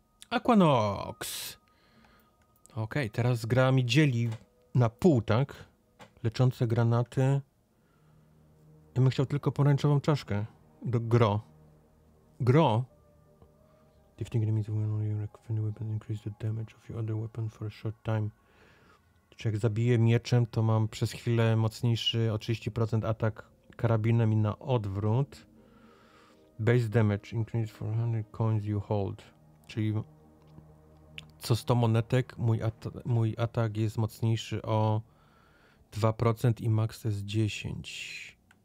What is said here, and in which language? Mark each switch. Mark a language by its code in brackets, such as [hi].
[pl] Aquanox! Okej, teraz gra mi dzieli na pół, tak? Leczące granaty. Ja bym chciał tylko pomarańczową czaszkę. Do gro. Gro? [en] Defeating enemies when you recover the weapon increase the damage of your other weapon for a short time. [pl] Czy jak zabiję mieczem, to mam przez chwilę mocniejszy o 30% atak karabinem i na odwrót. [en] Base damage increased for 100 coins you hold. [pl] Czyli co 100 monetek, mój atak jest mocniejszy o 2% i max to jest 10.